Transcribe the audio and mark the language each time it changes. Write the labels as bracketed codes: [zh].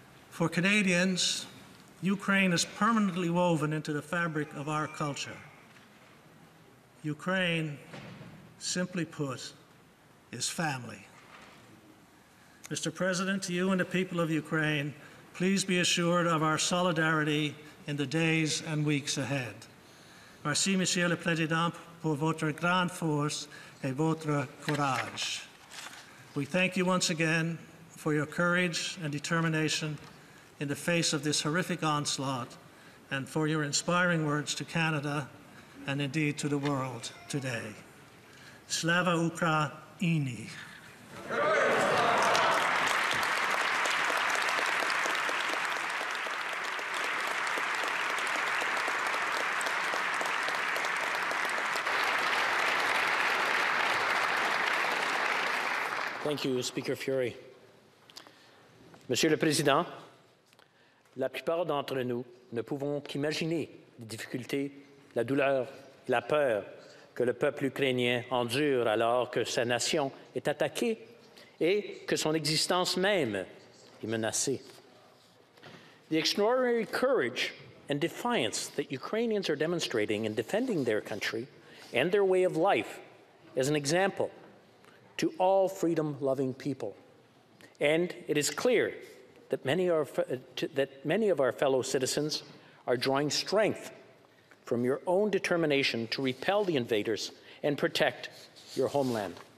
[en] For Canadians, Ukraine is permanently woven into the fabric of our culture. Ukraine, simply put, is family. Mr. President, to you and the people of Ukraine, please be assured of our solidarity in the days and weeks ahead. [fr] Merci, Monsieur le Président, pour votre grande force et votre courage. [en] We thank you once again for your courage and determination in the face of this horrific onslaught and for your inspiring words to Canada and indeed to the world today. [uk] Slava Ukraini. [en] Thank you, Speaker Furey. [fr] Monsieur le Président, la plupart d'entre nous ne pouvons qu'imaginer les difficultés, la douleur, la peur que le peuple ukrainien endure alors que sa nation est attaquée et que son existence même est menacée. [en] The extraordinary courage and defiance that Ukrainians are demonstrating in defending their country and their way of life is an example to all freedom-loving people. And it is clear that many of our fellow citizens are drawing strength from your own determination to repel the invaders and protect your homeland.